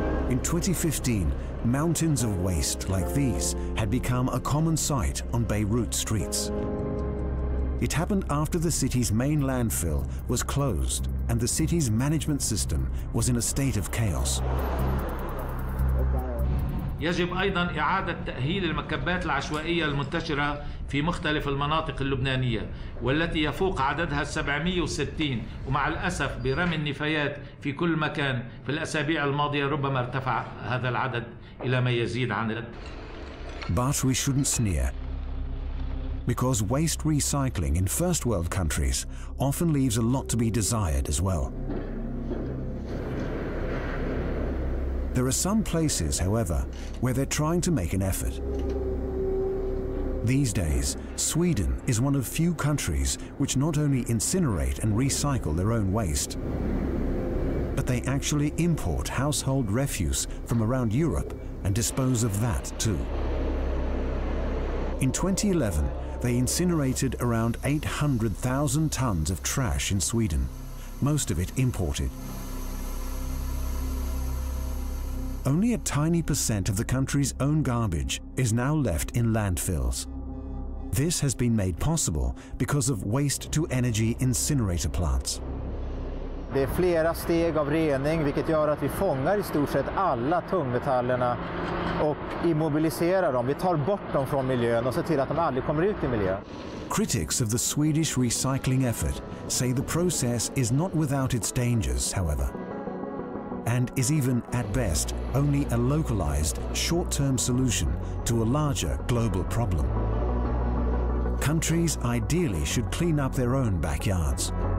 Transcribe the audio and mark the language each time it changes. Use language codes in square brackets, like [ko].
[en] In 2015, mountains of waste like these had become a common sight on Beirut streets. It happened after the city's main landfill was closed and the city's management system was in a state of chaos. [ar] يجب ايضا اعاده تاهيل المكبات العشوائيه المنتشره في مختلف المناطق اللبنانيه والتي يفوق عددها 760 ومع الاسف برمي النفايات في كل مكان في الاسابيع الماضيه ربما ارتفع هذا العدد الى ما يزيد عن [en] But we shouldn't sneer. Because waste recycling in first world countries often leaves a lot to be desired as well. There are some places, however, where they're trying to make an effort. These days, Sweden is one of few countries which not only incinerate and recycle their own waste, but they actually import household refuse from around Europe and dispose of that too. In 2011, they incinerated around 800,000 tons of trash in Sweden, most of it imported. Only a tiny percent of the country's own garbage is now left in landfills. This has been made possible because of waste-to-energy incinerator plants. [sv] Det är flera steg av rening, vilket gör att vi fångar i stort sett alla tungmetallerna och immobiliserar dem. Vi tar bort dem från miljön och ser till att de aldrig kommer ut i miljön. [en] Critics of the Swedish recycling effort say the process is not without its dangers, however. And is even, at best, only a localized, short-term solution to a larger global problem. Countries ideally should clean up their own backyards.